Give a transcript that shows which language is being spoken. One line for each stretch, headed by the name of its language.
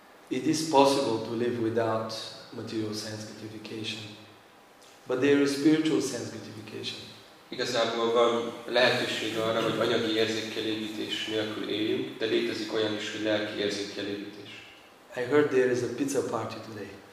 English: It is possible to live without material sense gratification, but there is spiritual sense gratification.
Hungarian: Igazából van lehetőség arra, hogy anyagi érzékelégítés nélkül éljünk, de létezik olyan is, hogy lelki érzékelégítés.
English: I heard there is a pizza party today.